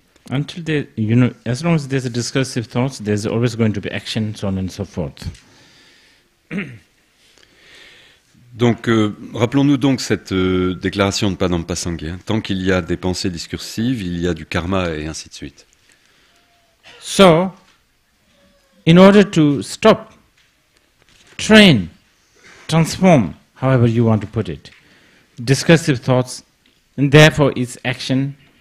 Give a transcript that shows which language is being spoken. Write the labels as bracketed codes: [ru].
[en] Until the, you know, as long as there's a discursive thought, there's always going to be action, so on and so forth. [fr] Donc, rappelons-nous donc cette déclaration de Patambasanji. Tant qu'il y a des pensées discursives, il y a du karma et ainsi de suite. [en] So, in order to stop, train, transform, however you want to put it, discursive thoughts, and therefore its action,